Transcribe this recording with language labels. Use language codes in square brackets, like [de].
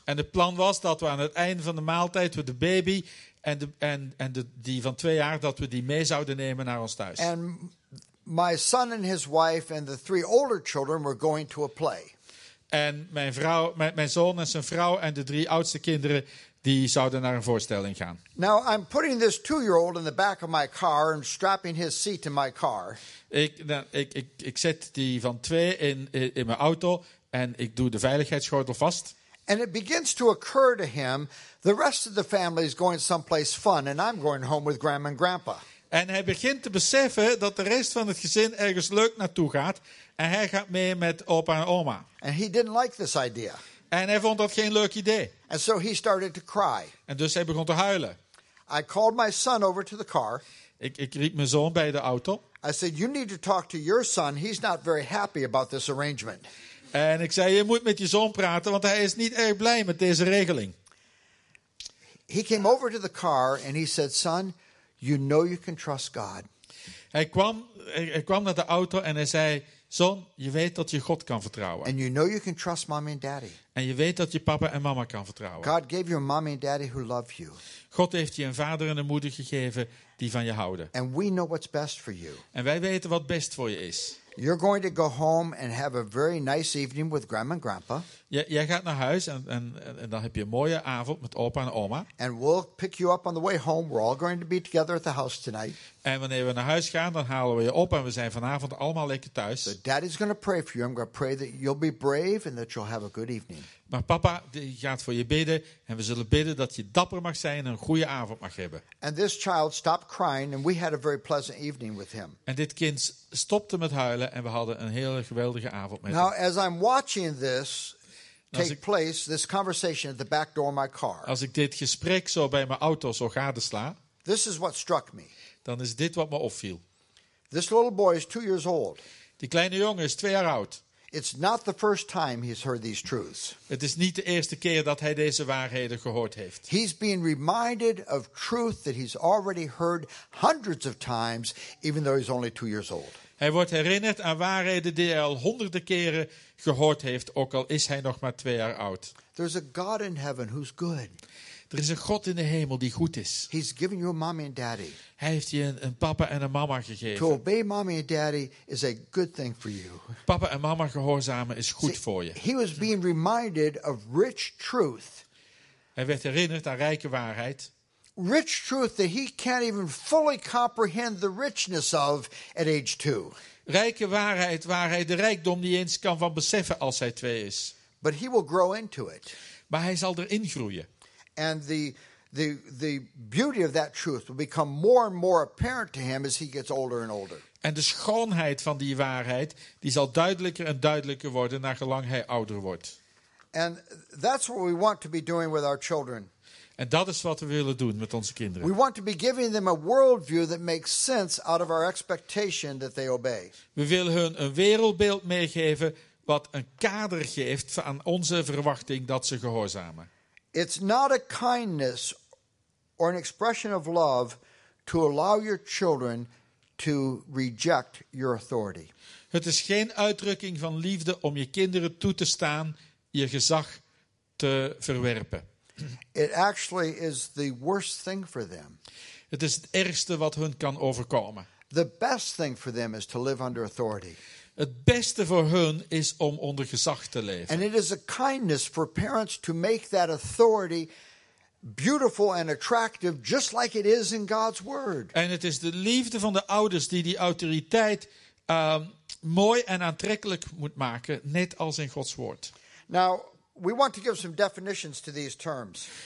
[nl] En het plan was dat we aan het einde van de maaltijd we de baby en die van 2 jaar dat we die mee zouden nemen naar ons thuis. [en] And my son and his wife and the 3 older children were going to a play. [nl] En mijn zoon en zijn vrouw en de 3 oudste kinderen die zouden naar een voorstelling gaan. [en] Now I'm putting this 2-year-old in the back of my car and strapping his seat in my car. [nl] Ik zet die van 2 in mijn auto en ik doe de veiligheidsgordel vast. [en] And it begins to occur to him, the rest of the family is going someplace fun and I'm going home with grandma and grandpa. [nl] En hij begint te beseffen dat de rest van het gezin ergens leuk naartoe gaat. En hij gaat mee met opa en oma. [en] And he didn't like this idea. [nl] En hij vond dat geen leuk idee. [en] And so he started to cry. [nl] En dus hij begon te huilen. [en] I called my son over to the car. [nl] Ik riep mijn zoon bij de auto. [en] I said, you need to talk to your son. He's not very happy about this arrangement. [nl] En ik zei, je moet met je zoon praten, want hij is niet erg blij met deze regeling. [en] He came over to the car and he said, son, you know you can trust God. [nl] Hij kwam naar de auto en hij zei, zoon, je weet dat je God kan vertrouwen. [en] And you know you can trust mommy and daddy. [nl] En je weet dat je papa en mama kan vertrouwen. [en] God gave you a mommy and daddy who love you. [nl] God heeft je een vader en een moeder gegeven die van je houden. [en] And we know what's best for you. [nl] En wij weten wat best voor je is. [en] You're going to go home and have a very nice evening with grandma and grandpa. [nl] Jij gaat naar huis en dan heb je een mooie avond met opa en oma. [en] And we'll pick you up on the way home. We're all going to be together at the house tonight. [nl] En wanneer we naar huis gaan, dan halen we je op en we zijn vanavond allemaal lekker thuis. [en] So daddy's going to pray for you. I'm going to pray that you'll be brave and that you'll have a good evening. [nl] Maar papa die gaat voor je bidden en we zullen bidden dat je dapper mag zijn en een goede avond mag hebben. [en] And this child stopped crying and we had a very pleasant evening with him. [nl] En dit kind stopte met huilen en we hadden een hele geweldige avond met [en] Now, [nl] hem. [en] Now as I'm watching this take place, this conversation at the back door of my car. [nl] Als ik dit gesprek zo bij mijn auto zo gadesla. [en] This is what struck me. [nl] Dan is dit wat me opviel. [en] This little boy is 2 years old. [nl] Die kleine jongen is 2 jaar oud. [en] It's not the first time he's heard these truths. [nl] Het is niet de eerste keer dat hij deze waarheden gehoord heeft. [en] He's being reminded of truth that he's already heard hundreds of times, even though he's only 2 years old. [nl] Hij wordt herinnerd aan waarheden die hij al honderden keren gehoord heeft, ook al is hij nog maar 2 jaar oud. [en] There's a God in heaven who's good. [nl] Er is een God in de hemel die goed is. [en] He's given you a mommy and daddy. [nl] Hij heeft je een papa en een mama gegeven. [en] To obey mommy and daddy is a good thing for you. [nl] Papa en mama gehoorzamen is goed voor je. [en] He was being reminded of rich truth. [nl] Hij werd herinnerd aan rijke waarheid. [en] Rich truth that he can't even fully comprehend the richness of at age 2. [nl] Rijke waarheid waar hij de rijkdom niet eens kan van beseffen als hij 2 is. [en] But he will grow into it. [nl] Maar hij zal erin groeien. [en] And the beauty of that truth will become more and more apparent to him as he gets older and older. [nl] En de schoonheid van die waarheid die zal duidelijker en duidelijker worden naar gelang hij ouder wordt. [en] And that's what we want to be doing with our children. [nl] En dat is wat we willen doen met onze kinderen. [en] We want to be giving them a worldview that makes sense out of our expectation that they obey. [nl] We willen hun een wereldbeeld meegeven wat een kader geeft aan onze verwachting dat ze gehoorzamen. [en] It's not a kindness or an expression of love to allow your children to reject your authority. [nl] Het is geen uitdrukking van liefde om je kinderen toe te staan je gezag te verwerpen. [en] It actually is the worst thing for them. [nl] Het is het ergste wat hun kan overkomen. [en] The best thing for them is to live under authority. [nl] Het beste voor hun is om onder gezag te leven. [en] And it is a kindness for parents to make that authority beautiful and attractive, just like it is in God's word. [nl] En het is de liefde van de ouders die autoriteit mooi en aantrekkelijk moet maken, net als in Gods woord. [en] Now, we want to give some definitions to these terms.